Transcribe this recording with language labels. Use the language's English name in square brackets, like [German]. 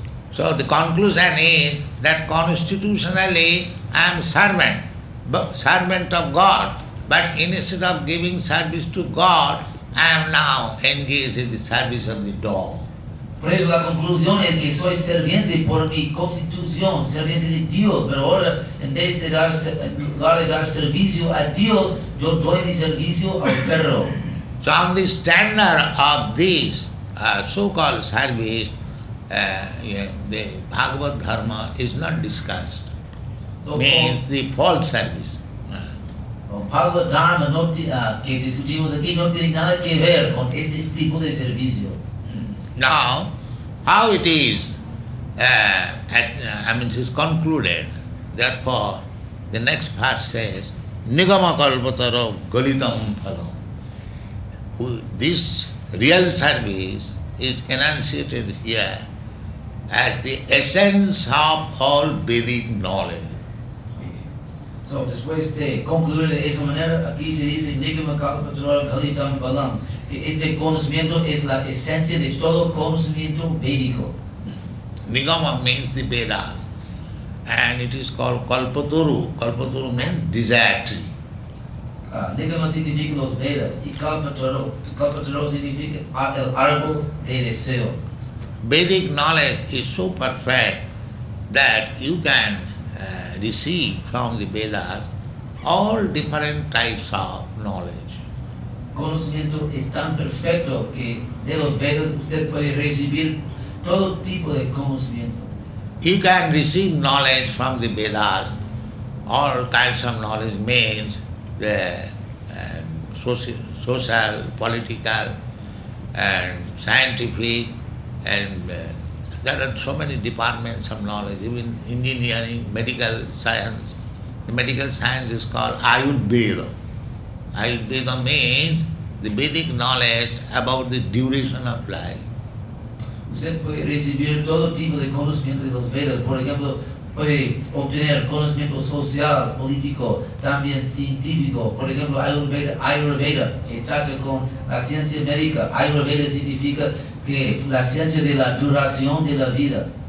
[English] So the conclusion is that constitutionally I am servant, servant of God, but instead of giving service to God, I am now engaged in the service of the dog. [Spanish] Por eso la conclusión es que soy serviente por mi constitución, serviente de Dios, pero ahora en vez de dar servicio a Dios, yo doy mi servicio al perro. [English] So on the standard of this so-called service, the Bhagavad Dharma is not discussed. Means the false service. [Spanish] Bhagavad Dharma que discutimos aquí no tiene nada que ver con este tipo de servicio. [English] Now, how it is, it is concluded, therefore, the next part says, Nigama Kalpataro Galitam Phalam. This real service is enunciated here as the essence of all Vedic knowledge. [Spanish] So, después de concluir de esa manera, aquí se dice Nigama Kalpataro Galitam Phalam, que este conocimiento es la esencia de todo conocimiento védico. [English] Nigama means the Vedas, and it is called Kalpataru. Kalpataru means desire tree. [Spanish] Nigama significa los Vedas, y Kalpataru. Kalpataru significa el árbol de deseo. [English] Vedic knowledge is so perfect that you can receive from the Vedas all different types of knowledge. [Spanish] Conocimiento es tan perfecto que de los Vedas usted puede recibir todo tipo de conocimiento. [English] You can receive knowledge from the Vedas. All types of knowledge means the social, political, and scientific, and there are so many departments of knowledge, even engineering, medical science. The medical science is called Ayurveda. Ayurveda means the Vedic knowledge about the duration of life. [Spanish] Usted puede recibir todo tipo de conocimiento de los Vedas. Por ejemplo, puede obtener conocimiento social, político, también científico. Por ejemplo, Ayurveda que trata con la ciencia médica. Ayurveda significa que la ciencia de la duración de la vida.